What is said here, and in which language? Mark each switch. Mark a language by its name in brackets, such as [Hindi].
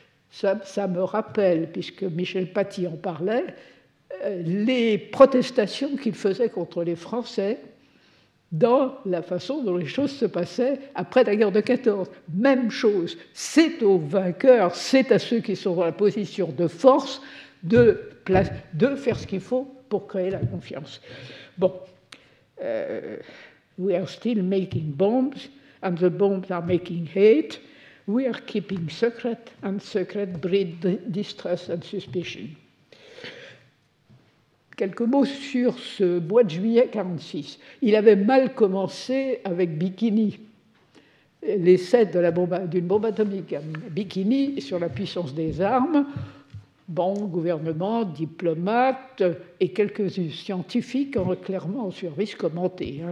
[French] Ça me rappelle, puisque Michel Paty en parlait, les protestations qu'il faisait contre les Français dans la façon dont les choses se passaient après la guerre de 14. Même chose, c'est aux vainqueurs, c'est à ceux qui sont dans la position de force de faire ce qu'il faut pour créer la confiance. [English] Bon, we are still making bombs, and the bombs are making hate. We are keeping secret, and secret breeds distrust and suspicion. [French] Quelques mots sur ce mois de juillet 1946. Il avait mal commencé avec Bikini, l'essai d'une bombe atomique. Bikini sur la puissance des armes. Bon, gouvernement, diplomates et quelques scientifiques ont clairement en service commenté.